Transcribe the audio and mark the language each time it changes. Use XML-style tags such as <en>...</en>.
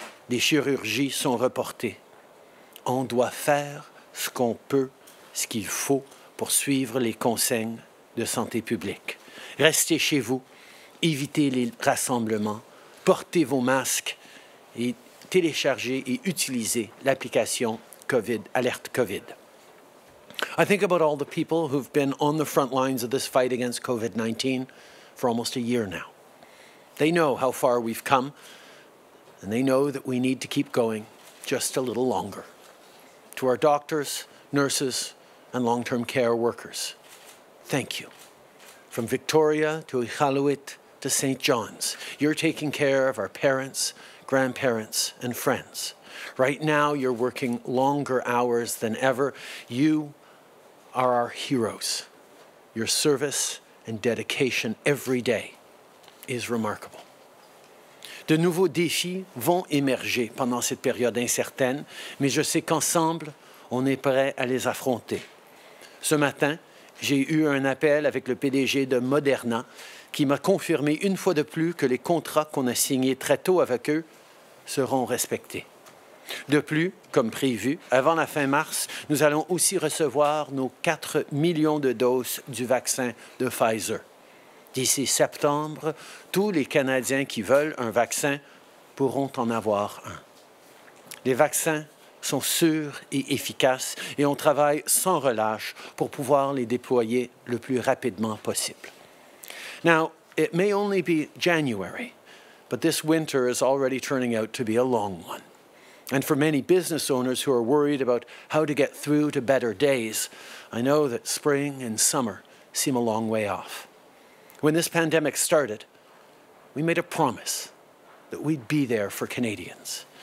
<fr>Des chirurgies sont reportées. On doit faire ce qu'on peut, ce qu'il faut pour suivre les consignes de santé publique. Restez chez vous, évitez les rassemblements, portez vos masques et téléchargez et utilisez l'application COVID, Alert COVID.</fr> <en>I think about all the people who've been on the front lines of this fight against COVID-19 for almost a year now. They know how far we've come, and they know that we need to keep going just a little longer. To our doctors, nurses, and long-term care workers, thank you. From Victoria to Iqaluit to St. John's, you're taking care of our parents, grandparents, and friends. Right now, you're working longer hours than ever. You are our heroes. Your service and dedication every day is remarkable.</en> <fr>De nouveaux défis vont émerger pendant cette période incertaine, mais je sais qu'ensemble, on est prêt à les affronter. Ce matin, j'ai eu un appel avec le PDG de Moderna qui m'a confirmé une fois de plus que les contrats qu'on a signés très tôt avec eux seront respectés. De plus, comme prévu, avant la fin mars, nous allons aussi recevoir nos 4 millions de doses du vaccin de Pfizer. D'ici septembre, tous les Canadiens qui veulent un vaccin pourront en avoir un. Les vaccins sont sûrs et efficaces et on travaille sans relâche pour pouvoir les déployer le plus rapidement possible.</fr> <en>Now, it may only be January, but this winter is already turning out to be a long one. And for many business owners who are worried about how to get through to better days, I know that spring and summer seem a long way off. When this pandemic started, we made a promise that we'd be there for Canadians.</en>